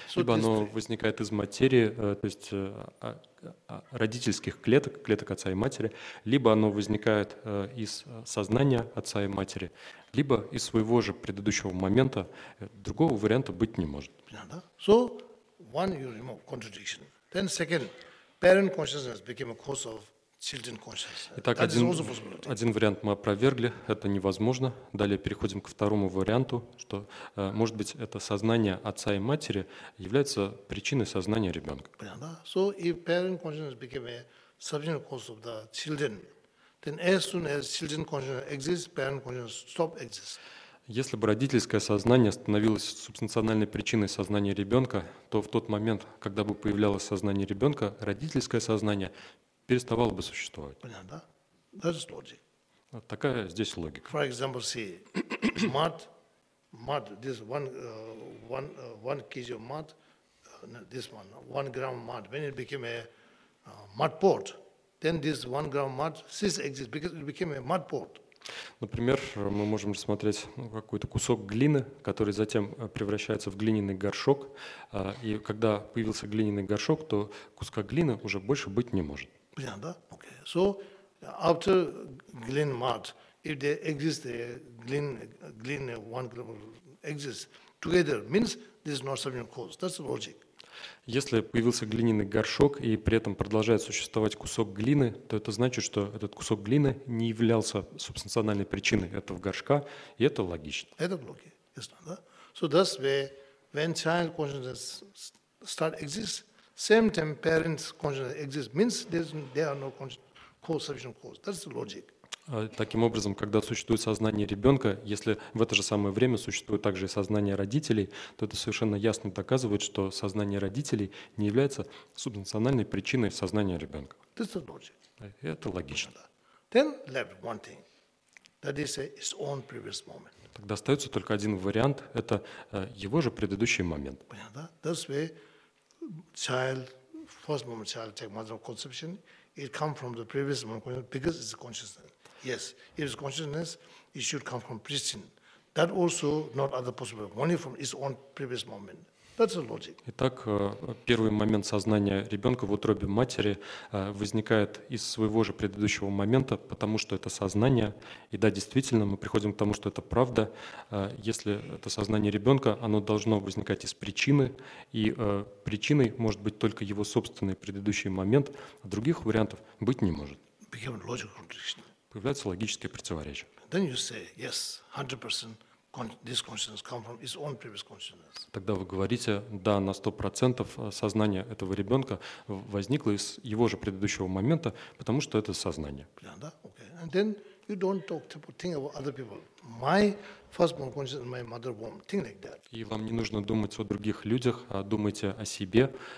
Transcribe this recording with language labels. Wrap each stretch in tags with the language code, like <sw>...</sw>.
<ru>So ибо оно возникает из материи, то есть родительских клеток, клеток отца и матери, либо оно возникает из сознания отца и матери, либо из своего же предыдущего момента, другого варианта быть не может.</ru> <en>So, one, you remove contradiction. Then second, parent consciousness became a cause of children consciousness.</en> <ru>Итак, один вариант мы опровергли, это невозможно. Далее переходим ко второму варианту, что, может быть, это сознание отца и матери является причиной сознания ребенка.</ru> <en>So, if parent consciousness became a substantial cause of the children, then as soon as children consciousness exists, parent consciousness stop exists.</en> <ru>Если бы родительское сознание становилось субстанциональной причиной сознания ребенка, то в тот момент, когда бы появлялось сознание ребенка, родительское сознание переставало бы существовать. Понятно, да?</ru> <en>That's logic.</en> <ru>Вот такая здесь логика.</ru> <en>For example, see, mud, this one kg of mud, this one gram mud, when it became a mud pot, then this one gram mud ceased exist because it became a mud pot.</en> <ru>Например, мы можем рассмотреть какой-то кусок глины, который затем превращается в глиняный горшок. И когда появился глиняный горшок, то куска глины уже больше быть не может. Понятно, да? Okay.</ru> <en>So, after glin mud, if there exists a glin one gram exists together, means this is not something caused. That's the logic.</en> <ru>Если появился глиняный горшок и при этом продолжает существовать кусок глины, то это значит, что этот кусок глины не являлся субстанциональной причиной этого горшка, и это логично. Это логично, да?</ru> <en>So that's where when child consciousness start exists, same time parent consciousness exists means there are no co-substitution cause. That's the logic.</en> <ru>Таким образом, когда существует сознание ребенка, если в это же самое время существует также и сознание родителей, то это совершенно ясно доказывает, что сознание родителей не является субстанциональной причиной сознания ребенка. Это логично.</ru> <en>Then left one thing. That is his own previous moment.</en> <ru>Тогда остается только один вариант, это его же предыдущий момент.</ru> <en>That's where child, first moment child take mother of conception, it come from the previous moment because it's consciousness. Yes, if it's consciousness, it should come from preaching. That also not other possible, only from its own previous moment. That's the logic.</en> <ru>Итак, первый момент сознания ребенка в утробе матери возникает из своего же предыдущего момента, потому что это сознание. И да, действительно, мы приходим к тому, что это правда. Если это сознание ребенка, оно должно возникать из причины. И причиной может быть только его собственный предыдущий момент, а других вариантов быть не может.</ru> <en>Became logical contradiction.</en> <ru>Является логическое противоречие.</ru> <en>Then you say, yes, 100% this consciousness come from its own previous consciousness.</en> <ru>Тогда вы говорите, да, на 100% сознание этого ребенка возникло из его же предыдущего момента, потому что это сознание. Да, okay.</ru> <en>And then you don't think about other people. My firstborn consciousness, my mother womb, think like that.</en> <ru>И вам не нужно думать о других людях, а думайте о себе.</ru>